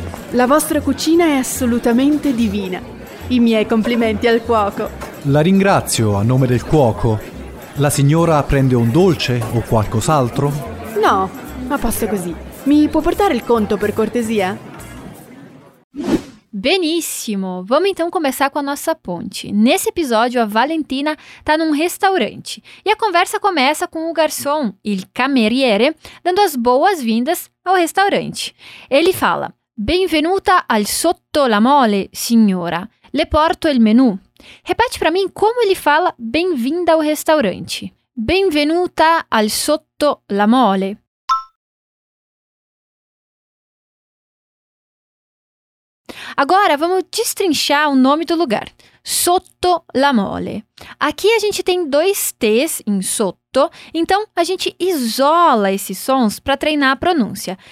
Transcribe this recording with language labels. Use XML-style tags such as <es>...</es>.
<it>La vostra cucina è assolutamente divina. I miei complimenti al cuoco. La ringrazio a nome del cuoco. La signora prende un dolce o qualcos'altro? No, ma posso così. Mi può portare il conto per cortesia?</it> <pt>Benissimo, vamos então começar com a nossa ponte. Nesse episódio, a Valentina está num restaurante e a conversa começa com o garçom, il cameriere, dando as boas-vindas ao restaurante. Ele fala,</pt> <it>benvenuta al sotto la mole, signora. Le porto il menù.</it> <pt>Repete para mim como ele fala bem-vinda ao restaurante.</pt> <it>Benvenuta al sotto la mole.</it> <pt>Agora, vamos destrinchar o nome do lugar. Sotto la mole. Aqui a gente tem dois T's em sotto, então a gente isola esses sons para treinar a pronúncia.</pt>